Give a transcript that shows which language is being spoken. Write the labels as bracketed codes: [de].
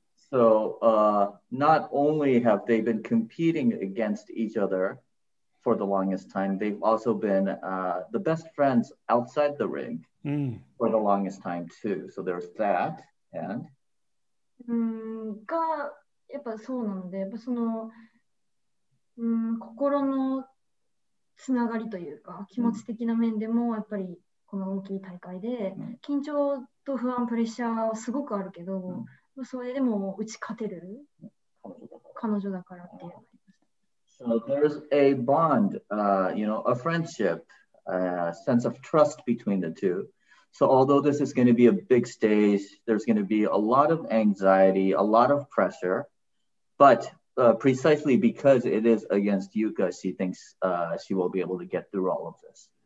[en] So, not only have they been competing against each other for the longest time, they've also been the best friends outside the ring for the longest time too. So there's that, and [ja] がやっぱそうなので、やっぱその心のつながりというか気持ち的な面でもやっぱりこの大きい大会で緊張と不安プレッシャーはすごくあるけど、それでも打ち勝てる彼女だからっていう。 [en] So there's a bond, you know, a friendship, a sense of trust between the two. So although this is going to be a big stage, there's going to be a lot of anxiety, a lot of pressure, but precisely because it is against Yuka, she thinks she will be able to get through all of this.